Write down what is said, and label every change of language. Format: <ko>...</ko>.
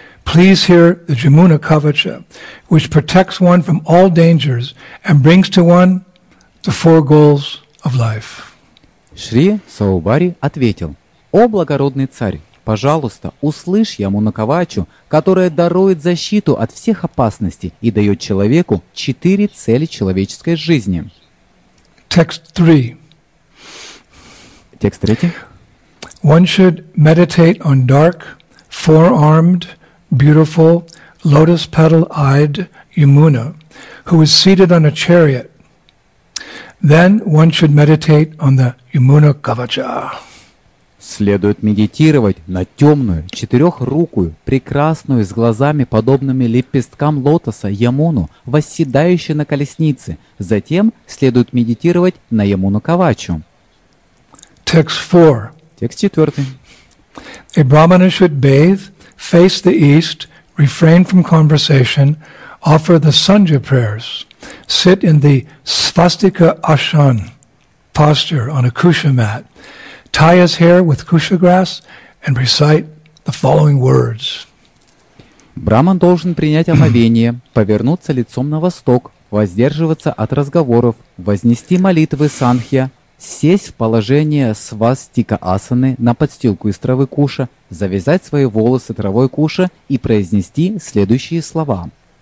<en>Please hear the Jamuna Kavacha, which protects one from all dangers and brings to one the four goals of life.</en> <ru>Шри Саубари ответил: «О благородный царь, пожалуйста, услышь Ямуна Кавачу, которая дарует защиту от всех опасностей и дает человеку четыре цели человеческой жизни». Текст третий.</ru> <en>One should meditate on dark, four-armed, beautiful, lotus-petal-eyed Yamuna, who is seated on a chariot. Then one should meditate on the Yamuna Kavacha.</en> <ru>Следует медитировать на темную, четырехрукую, прекрасную, с глазами, подобными лепесткам лотоса, Ямуну, восседающую на колеснице. Затем следует медитировать на Ямуну Кавачу.</ru> <en>Text 4.</en> <ru>Текст 4.</ru> <en>A brahmana should bathe, face the east, refrain from conversation, offer the sanjha prayers, sit in the svastika ashan posture on a kusha mat, tie his hair with kusha grass and recite the following words.</en> <ru>Браман должен принять омовение, повернуться лицом на восток, воздерживаться от разговоров, вознести молитвы санхья, сесть в положение свастика асаны на подстилку из травы куша, завязать свои волосы травой куша и произнести следующие слова.</ru>